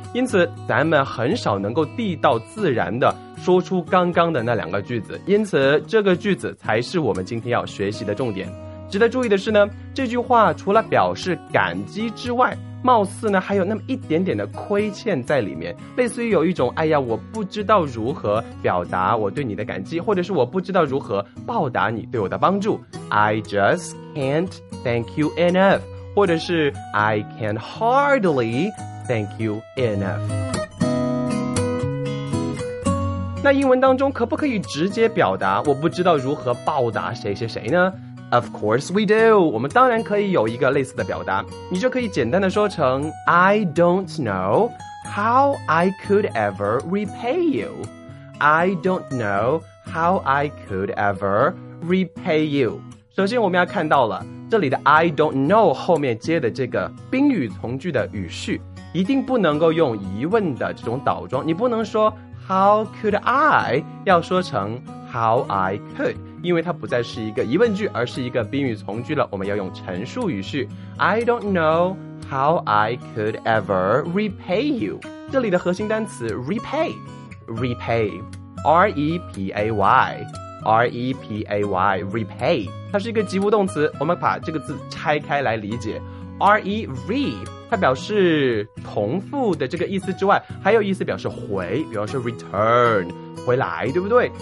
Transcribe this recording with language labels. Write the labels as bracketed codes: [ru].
[zh] 因此咱们很少能够地道自然的说出刚刚的那两个句子，因此这个句子才是我们今天要学习的重点。值得注意的是呢，这句话除了表示感激之外，貌似呢还有那么一点点的亏欠在里面，类似于有一种哎呀我不知道如何表达我对你的感激，或者是我不知道如何报答你对我的帮助。 [en] I just can't thank you enough [zh] 或者是 [en] I can hardly thank you enough。 [zh] 那英文当中可不可以直接表达我不知道如何报答谁谁谁呢？ [en] Of course we do， [zh] 我们当然可以有一个类似的表达，你就可以简单的说成 [en] I don't know how I could ever repay you I don't know how I could ever repay you。 [zh] 首先我们要看到了这里的 [en] I don't know [zh] 后面接的这个宾语从句的语序一定不能够用疑问的这种倒装，你不能说 [en] how could I [zh] 要说成 [en] how I could， [zh] 因为它不再是一个疑问句，而是一个宾语从句了。我们要用陈述语序。 [en] I don't know how I could ever repay you。 [zh] 这里的核心单词 repay， repay， R-E-P-A-Y，R-E-P-A-Y， repay， 它是一个及物动词。我们把这个字拆开来理解， R-E-R-E 它表示重复的这个意思之外，还有意思表示回，比方说 return， 回来，对不对？